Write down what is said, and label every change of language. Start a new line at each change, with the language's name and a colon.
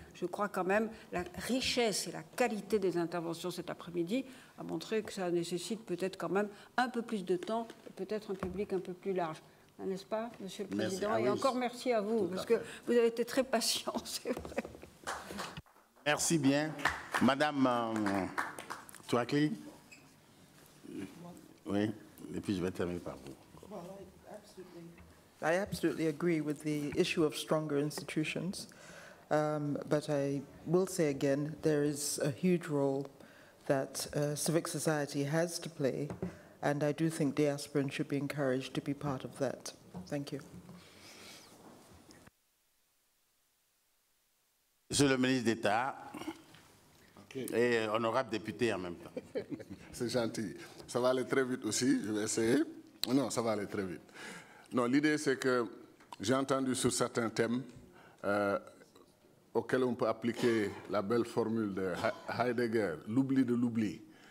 French: Je crois quand même la richesse et la qualité des interventions cet après-midi a montré que ça nécessite peut-être quand même un peu plus de temps, peut-être un public un peu plus large. N'est-ce pas, Monsieur le Président? Merci. Et encore merci à vous, parce que vous avez été très patient, c'est vrai. Merci bien. Madame Touakli. Oui, et puis je vais terminer par vous.
English: I absolutely agree with the issue of stronger institutions, but I will say again, there is a huge role that civic society has to play, and I do think diasporans should be encouraged to be part of that. Thank you.
French: Monsieur le ministre d'État, et honorable député en même temps. C'est gentil. Ça va aller très vite aussi, je vais essayer. Non, ça va aller très vite. Non, l'idée, c'est que j'ai entendu sur certains thèmes auxquels on peut appliquer la belle formule de Heidegger, l'oubli de l'oubli.